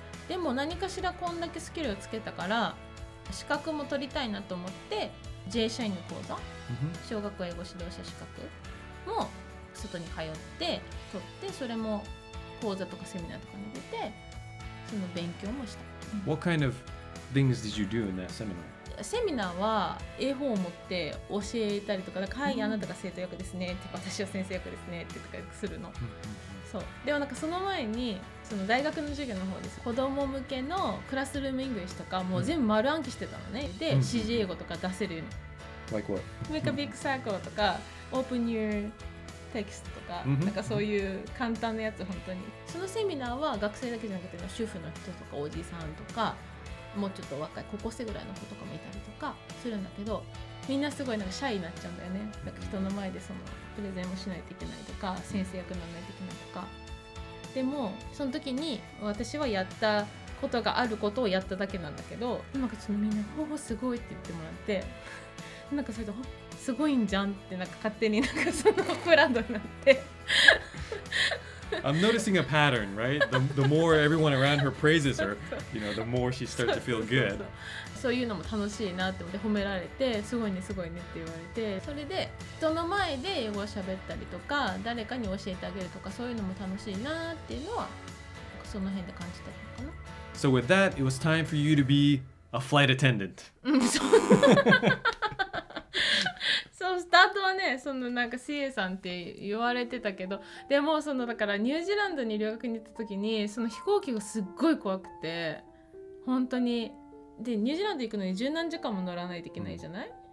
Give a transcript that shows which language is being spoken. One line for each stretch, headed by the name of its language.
Japanese: でも何かしらこんだけスキルをつけたから資格も取りたいなと思って J 社員の講座、小学校英語指導者資格も外に通って取って、それも講座とかセミナーとかに出てその勉強もした。
English: What kind of things did you do in that seminar?
Japanese: セミナーは絵本を持って教えたりとか、会議あなたが生徒役ですねって、うん、私は先生役ですねってとかするの、うん、そう。でもなんかその前にその大学の授業の方です、子供向けのクラスルームイングリッシュとかもう全部丸暗記してたのね、うん、で、うん、指示英語とか出せるように、
English: like what? Make a big circle
Japanese: とか、うん、
English: Open your text
Japanese: とか、うん、なんかそういう簡単なやつ本当に、そのセミナーは学生だけじゃなくて主婦の人とかおじさんとかもうちょっと若い高校生ぐらいの子とかもいたりとかするんだけど、みんなすごいなんかシャイになっちゃうんだよね、なんか人の前でそのプレゼンもしないといけないとか先生役にならないといけないとか、でもその時に私はやったことがあることをやっただけなんだけど、なんかちょっとみんなほぼすごいって言ってもらって、なんかそれとすごいんじゃんってなんか勝手になんかそのプランドになって
English: I'm noticing a pattern, right? The more everyone around her praises her, you know, the more she starts to feel good.
Japanese: そういうのも楽しいなって思って褒められて、すごいね、すごいねって言われて、それで人の前で英語を喋ったりとか、誰かに教えてあげるとか、そういうのも楽しいなっていうのは、その辺で感じたのかな。
English: So with that, it was time for you to be a flight attendant.
Japanese: スタートはね、そのなんか CA さんって言われてたけど、でもそのだからニュージーランドに留学に行った時にその飛行機がすっごい怖くて本当に、でニュージーランド行くのに十何時間も乗らないといけないじゃない、